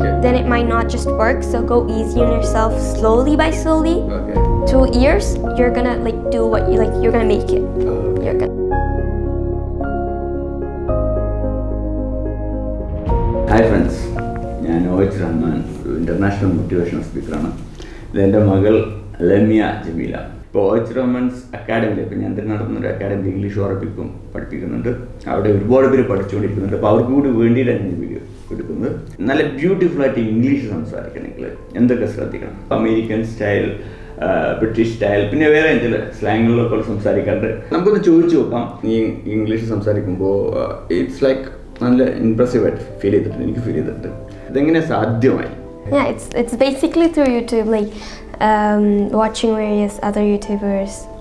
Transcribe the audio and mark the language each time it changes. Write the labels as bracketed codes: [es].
[en] Then it might not just work. So go easy on yourself, slowly by slowly. 2 years, you're gonna like do what you like, you're gonna make it. You're gonna. Hi friends, I'm OH Rahman, international motivational speaker. Lenda Magal Lemia Jamila. [ml] OH Rahman's Academy, ഇപ്പോൾ ഞാൻ Thiruvananthapuram academy English ഉറപ്പിക്കും പഠിപ്പിക്കുന്നുണ്ട്. അവിടെ ഒരുപാട് പേര് പഠിച്ചുകൊണ്ടിരിക്കുന്നുണ്ട്. അപ്പോൾ അവർക്ക് കൂടി വേണ്ടിയിട്ടാണ് ഈ വീഡിയോ എടുക്കുന്നത്. നല്ല ബ്യൂട്ടിഫുള്ളായിട്ട് ഇംഗ്ലീഷ് സംസാരിക്കണമെങ്കിൽ എന്തൊക്കെ ശ്രദ്ധിക്കണം? അമേരിക്കൻ സ്റ്റൈൽ, ബ്രിട്ടീഷ് സ്റ്റൈൽ, പിന്നെ വേറെ എന്തെങ്കിലും സ്ലാങ്ങുകളിലൊക്കെ സംസാരിക്കാറുണ്ട്. നമുക്കൊന്ന് ചോദിച്ചു നോക്കാം. ഈ ഇംഗ്ലീഷ് സംസാരിക്കുമ്പോൾ [en] it's like [ml] നല്ല ഇംപ്രസീവ് ആയിട്ട് ഫീൽ ചെയ്തിട്ടുണ്ട്, എനിക്ക് ഫീൽ ചെയ്തിട്ടുണ്ട്. ഇതെങ്ങനെ സാധ്യമായി? [en] Yeah, it's basically through YouTube, like watching various other YouTubers.